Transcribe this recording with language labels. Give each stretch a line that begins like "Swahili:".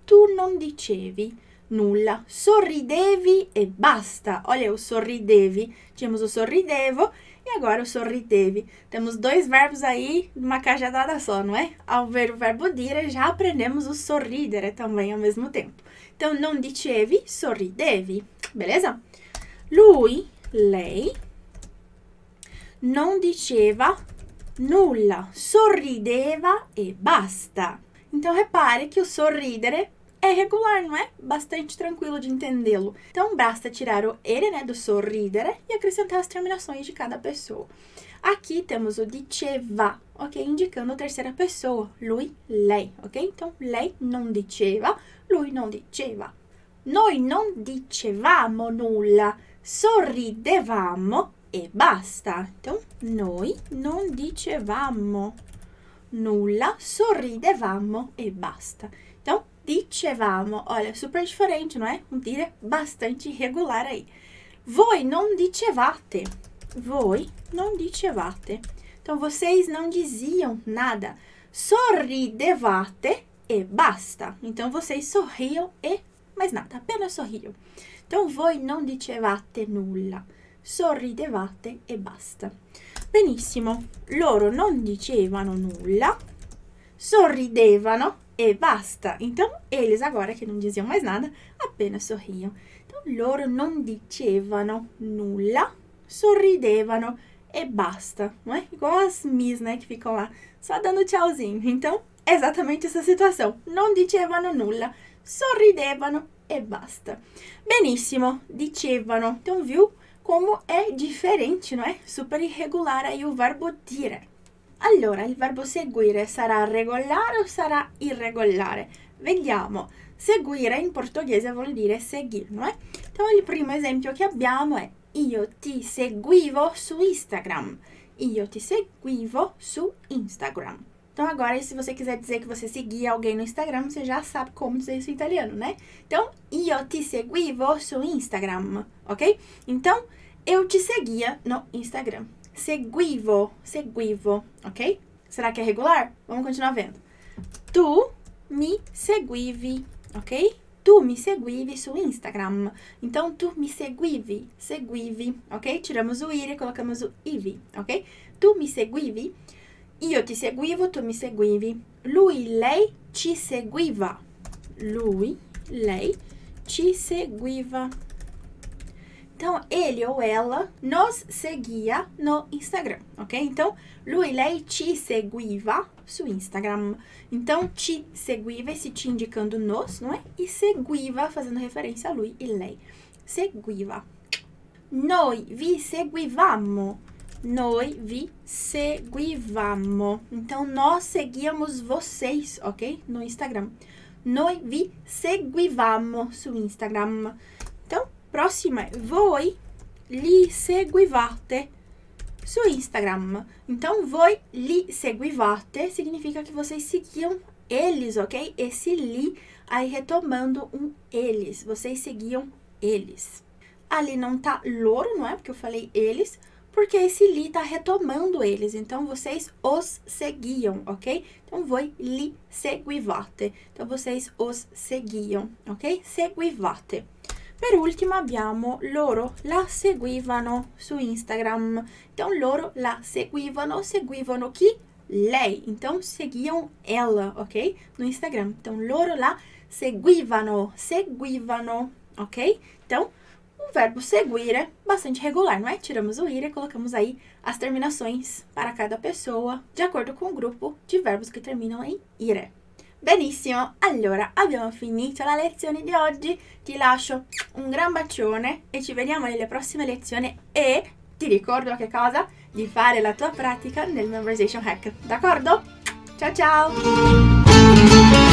Italian: Tu non dicevi nulla. Sorridevi e basta.
Portuguese: Olha, o sorridevi. Tínhamos o sorridevo e agora o sorridevi. Temos dois verbos aí numa cajadada só, não é? Ao ver o verbo dire, já aprendemos o sorridere também ao mesmo tempo.
Italian: Então, non dicevi, sorridevi. Beleza? Lui, lei, non diceva nulla. Sorrideva e basta.
Portuguese: Então, repare que o sorridere é regular, não é? Bastante tranquilo de entendê-lo. Então, basta tirar o ele, né, do sorridere e acrescentar as terminações de cada pessoa. Aqui temos o diceva, ok? Indicando a terceira pessoa, lui, lei, ok?
Italian: Então, lei non diceva, lui non diceva. Noi non dicevamo nulla, sorridevamo e basta. Então, noi non dicevamo nulla, sorridevamo e basta.
Portuguese: Então, dicevamo, olha, super diferente, não é? Um dire bastante irregolare aí.
Italian: Voi non dicevate. Voi non dicevate.
Portuguese: Então, vocês não diziam nada.
Italian: Sorridevate e basta.
Portuguese: Então, vocês sorriam e mais nada, apenas sorriam.
Italian: Então, voi non dicevate nulla. Sorridevate e basta. Benissimo. Loro non dicevano nulla. Sorridevano. E basta.
Portuguese: Então, eles agora que não diziam mais nada, apenas sorriam.
Italian: Então, loro non dicevano nulla, sorridevano e basta.
Portuguese: Não é? Igual as Miss, né, que ficam lá só dando tchauzinho. Então, é exatamente essa situação. Non dicevano nulla, sorridevano e basta. Benissimo, dicevano. Então, viu como é diferente, não é? Super irregular aí o verbo dire.
Italian: Allora, il verbo seguire sarà regolare o sarà irregolare? Vediamo. Seguire in portoghese vuol dire seguir, non è?
Portuguese: Então,
Italian: il primo esempio che abbiamo è io ti seguivo su Instagram. Io ti seguivo su Instagram.
Portuguese: Então, agora, se você quiser dizer che você seguia alguém no Instagram, você já sabe come dizer isso
Italian: in italiano,
Portuguese: né?
Italian: Então, io ti seguivo su Instagram, ok?
Portuguese: Então, eu te seguia no Instagram. Seguivo, seguivo, ok? Será que é regular? Vamos continuar vendo.
Italian: Tu me seguivi, ok? Tu me seguivi su Instagram.
Portuguese: Então,
Italian: tu me seguivi, seguivi,
Portuguese: ok? Tiramos o ir e colocamos o ivi, ok?
Italian: Tu me seguivi, io ti seguivo, tu me seguivi. Lui, lei ci seguiva. Lui, lei ci seguiva.
Portuguese: Então, ele ou ela nos seguia no Instagram, ok?
Italian: Então, lui, lei ci seguiva su Instagram.
Portuguese: Então, ci seguiva, esse ti indicando nos, não é? E seguiva, fazendo referência a lui e lei. Seguiva.
Italian: Noi vi seguivamo. Noi vi seguivamo.
Portuguese: Então, nós seguíamos vocês, ok? No Instagram.
Italian: Noi vi seguivamo su Instagram.
Portuguese: Próxima é,
Italian: voi li seguivate su Instagram.
Portuguese: Então, voi li seguivate significa que vocês seguiam eles, ok? Esse li Aí, retomando um eles, vocês seguiam eles. Ali não tá louro, não é? Porque eu falei eles, porque esse li tá retomando eles. Então, vocês os seguiam, ok? Então,
Italian: voi li seguivate.
Portuguese: Então, vocês os seguiam, ok?
Italian: Seguivate. Per ultimo abbiamo loro la seguivano su Instagram. Então, loro la seguivano, seguivano chi? Lei.
Portuguese: Então, seguiam ela, ok? No Instagram. Então,
Italian: loro la seguivano, seguivano,
Portuguese: ok? Então, o verbo seguire, bastante regular, não é? Tiramos o ire e colocamos aí as terminações para cada pessoa, de acordo com o grupo de verbos que terminam em ire.
Italian: Benissimo, allora abbiamo finito la lezione di oggi, ti lascio un gran bacione e ci vediamo nelle prossime lezioni e ti ricordo che cosa? Di fare la tua pratica nel Memorization Hack, d'accordo? Ciao ciao!